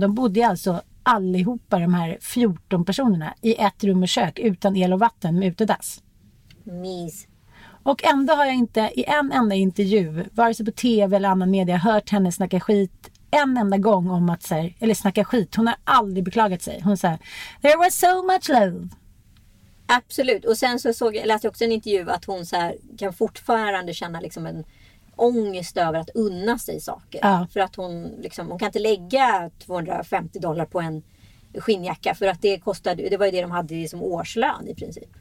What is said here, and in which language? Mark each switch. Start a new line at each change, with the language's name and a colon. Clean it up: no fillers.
Swedish: De bodde alltså allihopa, de här 14 personerna, i ett rum och kök utan el och vatten med utedass. Mis. Och ändå har jag inte i en enda intervju, vare sig på tv eller annan media, hört henne snacka skit en enda gång om att, eller snacka skit. Hon har aldrig beklagat sig. Hon säger,
English: there was so much love.
Swedish: Absolut. Och sen så läste jag också en intervju att hon kan fortfarande känna liksom en ångest över att unna sig saker. Ja. För att hon, liksom, hon kan inte lägga $250 på en skinnjacka, för att det kostade, det var ju det de hade som årslön i princip.